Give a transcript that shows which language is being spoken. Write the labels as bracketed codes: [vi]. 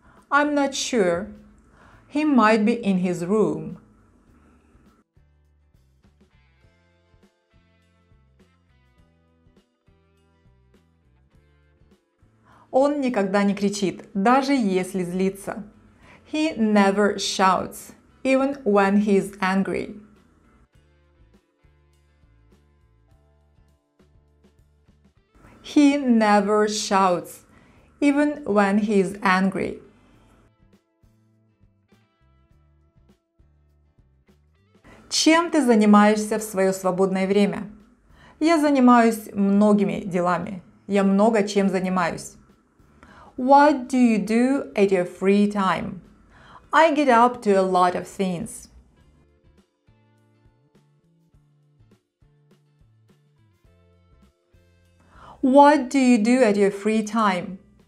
[en] I'm not sure. He might be in his room. [ru] Он никогда не кричит, даже если злится. [en] He never shouts, even when he is angry. He never shouts, even when he is angry. [ru] Чем ты занимаешься в свое свободное время? Я занимаюсь многими делами. Я много чем занимаюсь. [en] What do you do at your free time? I get up to a lot of things. What do you do at your free time?